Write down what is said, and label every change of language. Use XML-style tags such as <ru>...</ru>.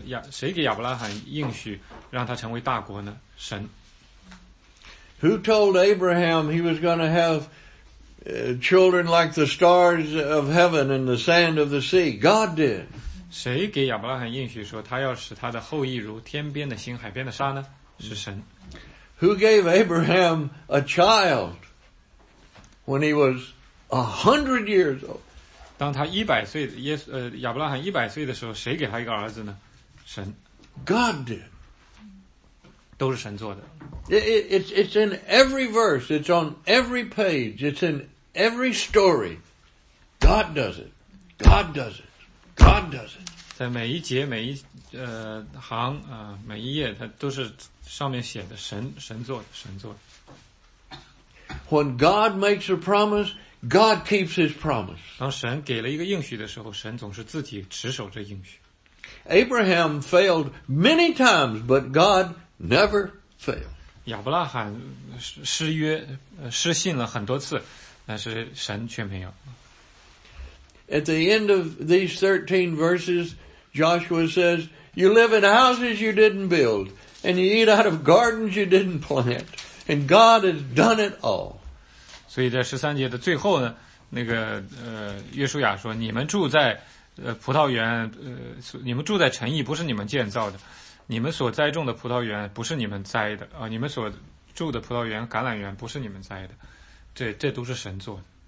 <zh>谁给亚伯拉罕应许让他成为大国呢？神。</zh> <en>Who told Abraham he was going to have children like the stars of heaven and the sand of the sea? God did.</en> <zh>谁给亚伯拉罕应许说他要使他的后裔如天边的星、海边的沙呢？是神。</zh> <en>Who gave Abraham a child when he was 100 years old?</en> <zh>当他100岁，亚伯拉罕100岁的时候，谁给他一个儿子呢？神。</zh> <en>God did.</en> <zh>都是神做的。</zh> <en>It's in every verse. It's on every page. It's in every story. God does it. God does it. God does it.</en> <zh>在每一节每一行每一页它都是上面写的神做的。</zh> <en>When God makes a promise, God keeps his promise.</en> <zh>当神给了一个应许的时候，神总是自己持守着应许。</zh> <en>Abraham failed many times, but God never failed.</en> <zh>亚伯拉罕失约失信了很多次，但是神却没有。</zh> <en>At the end of these 13 verses, Joshua says, you live in houses you didn't build, and you eat out of gardens you didn't plant, and God has done it all.</en> <zh>所以在13节的最后呢，那个约书亚说，你们住在葡萄园，你们住在城邑不是你们建造的，你们所栽种的葡萄园不是你们栽的，你们所住的葡萄园、橄榄园不是你们栽的，这都是神做的。</zh>